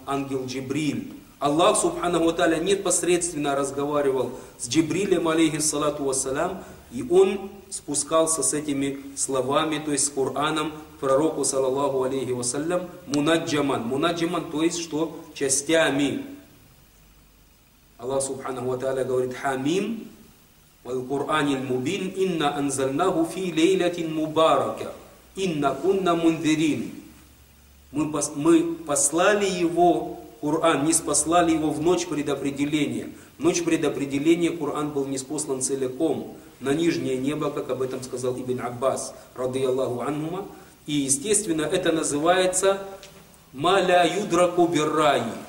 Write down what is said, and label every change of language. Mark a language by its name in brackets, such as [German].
[Russian] Ангел Джибриль. Аллах Субханаху Ва Тааля непосредственно разговаривал с Джибрилем, алейхиссалату вассалям, и он спускался с этими словами, то есть с Кораном, пророку, саллаллаху алейхи вассалям, мунаджаман. Мунаджаман, то есть что? Частями. [Arabic] Аллах Субханаху Ва Тааля [Russian] говорит, [Arabic] хамим, والقرآن المبين إن أنزلناه في ليلة مباركة إن كنا منذرين. [Russian] Мы послали его Коран, ниспослали его в ночь предопределения. В ночь предопределения Коран был ниспослан целиком на нижнее небо, как об этом сказал Ибн Аббас, ради Аллаху анхума. И естественно это называется [Arabic] маля юдраку бирраи.